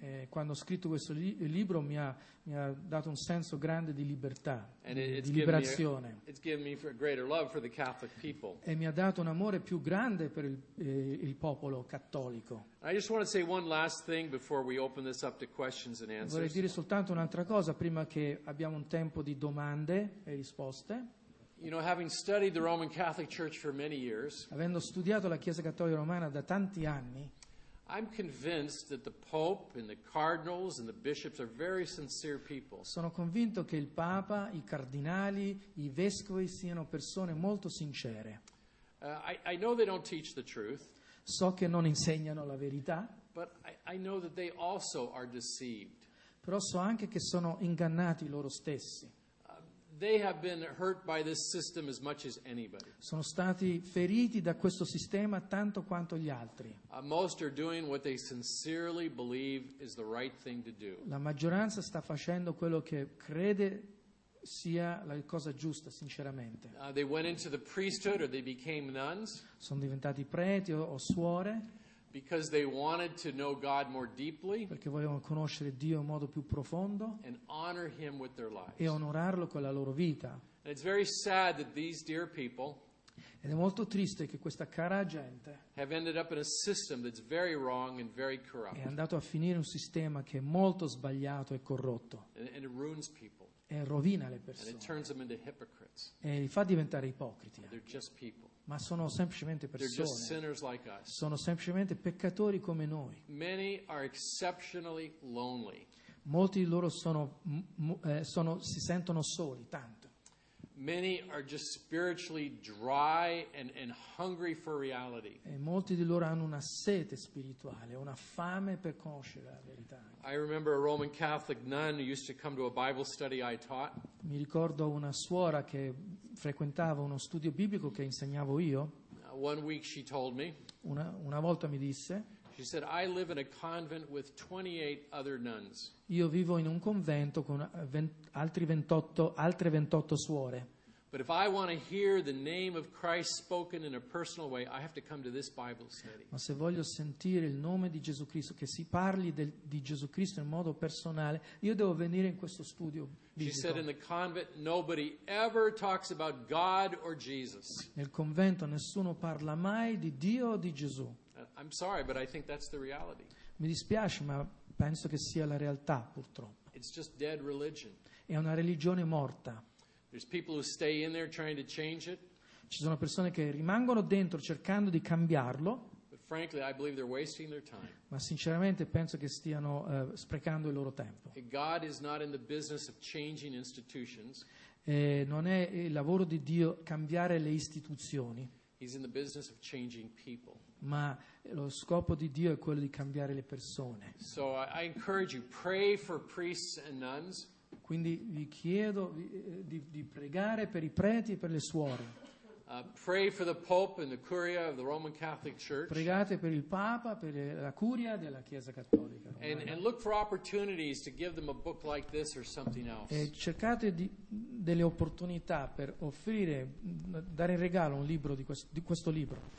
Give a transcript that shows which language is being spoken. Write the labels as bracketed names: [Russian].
[Italian] Quando ho scritto questo libro mi ha dato un senso grande di libertà, di liberazione. [English] It's given me a greater love for the Catholic people. [Italian] E mi ha dato un amore più grande per il popolo cattolico. [English] I just want to say one last thing before we open this up to questions and answers. [Italian] Vorrei dire soltanto un'altra cosa prima che abbiamo un tempo di domande e risposte. [English] You know, having studied the Roman Catholic Church for many years, [Italian] avendo studiato la Chiesa Cattolica Romana da tanti anni, [English] I'm convinced that the Pope and the cardinals and the bishops are very sincere people. [Italian] Sono convinto che il Papa, i cardinali, i vescovi siano persone molto sincere. [English] I know they don't teach the truth. [Italian] So che non insegnano la verità. [English] But I know that they also are deceived. [Italian] Però so anche che sono ingannati loro stessi. [English] They have been hurt by this system as much as anybody. [Italian] Sono stati feriti da questo sistema tanto quanto gli altri. [English] Most are doing what they sincerely believe is the right thing to do. [Italian] La maggioranza sta facendo quello che crede sia la cosa giusta sinceramente. [English] They went into the priesthood or they became nuns. [Italian] Sono diventati preti o suore. [English] Because they wanted to know God more deeply, [Italian] perché volevano conoscere Dio in modo più profondo, [English] and honor Him with their lives, [Italian] e onorarlo con la loro vita. [English] And it's very sad that these dear people, [Italian] ed è molto triste che questa cara gente, [English] have ended up in a system that's very wrong and very corrupt. [Italian] È andato a finire un sistema che è molto sbagliato e corrotto. [English] And it ruins people. [Italian] E rovina le persone. [English] And it turns them into hypocrites. [Italian] E li fa diventare ipocriti. [English] They're just people. [Italian] Ma sono semplicemente persone. [English] They're just sinners like us. [Italian] Sono semplicemente peccatori come noi. [English] Many are exceptionally lonely. [Italian] Molti di loro si sentono soli, tanto. [English] Many are just spiritually dry and hungry for reality. [Italian] E molti di loro hanno una sete spirituale, una fame per conoscere la verità. [English] I remember a Roman Catholic nun who used to come to a Bible study I taught. [Italian] Mi ricordo una suora che frequentava uno studio biblico che insegnavo io. [English] One week she told me. [Italian] Una volta mi disse. [English] She said, "I live in a convent with 28 other nuns." [Italian] Io vivo in un convento con altre 28 suore. [English] But if I want to hear the name of Christ spoken in a personal way, I have to come to this Bible study. [Italian] Ma se voglio sentire il nome di Gesù Cristo, che si parli di Gesù Cristo in modo personale, io devo venire in questo studio. [English] She said in the convent nobody ever talks about God or Jesus. [Italian] Nel convento nessuno parla mai di Dio o di Gesù. [English] I'm sorry, but I think that's the reality. [Italian] Mi dispiace, ma penso che sia la realtà, purtroppo. [English] It's just dead religion. [Italian] È una religione morta. [English] There's people who stay in there trying to change it. [Italian] Ci sono persone che rimangono dentro cercando di cambiarlo. [English] But frankly, I believe they're wasting their time. [Italian] Ma sinceramente penso che stiano sprecando il loro tempo. [English] God is not in the business of changing institutions. [Italian] Non è il lavoro di Dio cambiare le istituzioni. [English] He's in the business of changing people. [Italian] Ma lo scopo di Dio è quello di cambiare le persone. [English] So I encourage you, pray for priests and nuns. [Italian] Quindi vi chiedo di pregare per i preti e per le suore. [English] Pray for the Pope and the Curia of the Roman Catholic Church. [Italian] Pregate per il Papa, per la Curia della Chiesa Cattolica. [English] And look for opportunities to give them a book like this or something else. [Italian] E cercate delle opportunità per offrire, dare in regalo un libro di questo libro.